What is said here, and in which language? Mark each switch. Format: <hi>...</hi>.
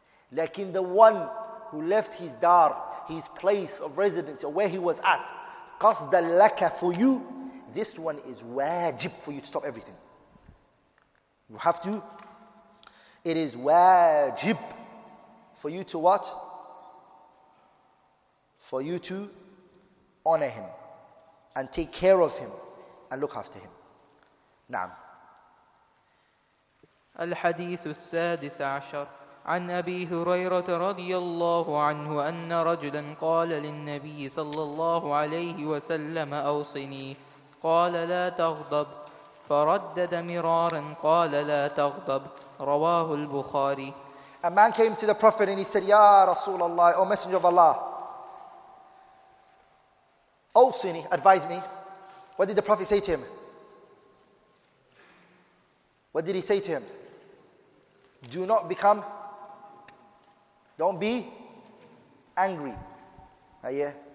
<en>Lakin the one who left his dar, his place of residence, or where he was at, qasda laka, for you, this one is wajib for you to stop everything. You have to. It is wajib for you to what? For you to honor him and take care of him and look after him.</en> <ar>Naam. Al-Hadith al-Sadis Ashar عن أبي هريرة رضي الله عنه أن رجلا قال للنبي صلى الله عليه وسلم أوصني، قال لا تغضب، فردد مرارا قال لا تغضب. رواه البخاري.</ar> <en>A man came to the Prophet and he said, Ya Rasulullah, O Messenger of Allah, أوصني, advise me. What did the Prophet say to him? What did he say to him? Do not become, don't be angry. Yeah.</en>